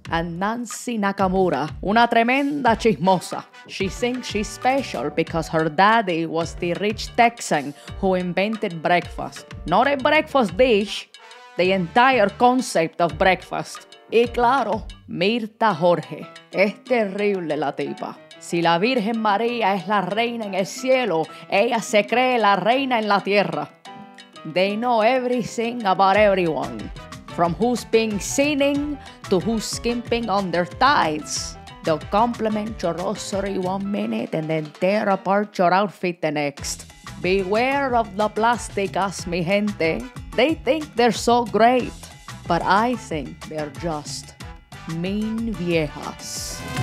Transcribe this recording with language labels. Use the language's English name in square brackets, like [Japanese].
[Spanish] And Nancy Nakamura, una tremenda chismosa. [English] She thinks she's special because her daddy was the rich Texan who invented breakfast. Not a breakfast dish, the entire concept of breakfast. [Spanish] Y claro, Mirta Jorge. Es terrible la tipa. Si la Virgen María es la reina en el cielo, ella se cree la reina en la tierra. [English] They know everything about everyone. From who's being sinning to who's skimping on their tithes. They'll compliment your rosary 1 minute and then tear apart your outfit the next. Beware of the plásticas, [Spanish] mi gente. [English] They think they're so great, but I think they're just mean viejas.